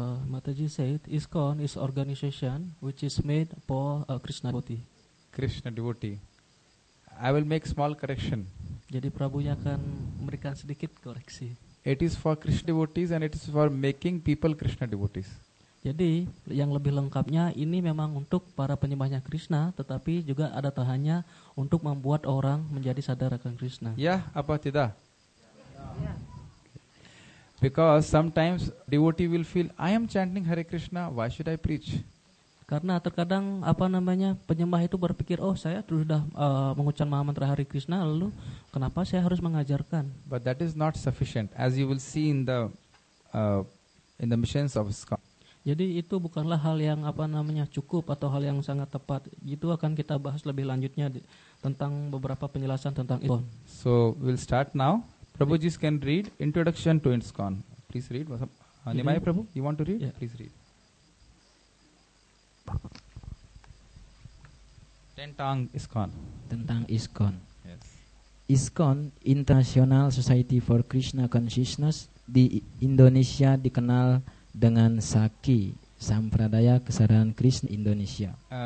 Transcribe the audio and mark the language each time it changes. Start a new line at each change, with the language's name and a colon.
English: Mataji said, ISKCON is organization which is made for Krishna devotee. Krishna devotee. I will make small correction.
Indonesian: Jadi Prabhunya akan memberikan sedikit koreksi.
English: It is for Krishna devotees and it is for making people Krishna devotees.
Indonesian: Jadi yang lebih lengkapnya ini memang untuk para penyembahnya Krishna, tetapi juga ada tahannya untuk membuat orang menjadi sadar akan Krishna. Ya, apa tidak?
English: Because sometimes devotee will feel, I am chanting Hare Krishna, why should I preach?
Indonesian: Karena terkadang penyembah itu berpikir, oh saya sudah mengucap mahamantra Hari Krishna, lalu kenapa saya harus mengajarkan?
English: But that is not sufficient, as you will see in the missions of ISKCON.
Indonesian: Jadi itu bukanlah hal yang cukup atau hal yang sangat tepat. Itu akan kita bahas lebih lanjutnya tentang beberapa penjelasan tentang ISKCON.
English: So we'll start now. Prabhuji can read introduction to ISKCON. Please read. Nimai Prabhu, you want to read? Yeah. Please read.
Indonesian: Tentang ISKCON. Tentang ISKCON. ISKCON, International Society for Krishna Consciousness, di Indonesia dikenal dengan SAKI, Sampradaya Kesadaran Krishna Indonesia.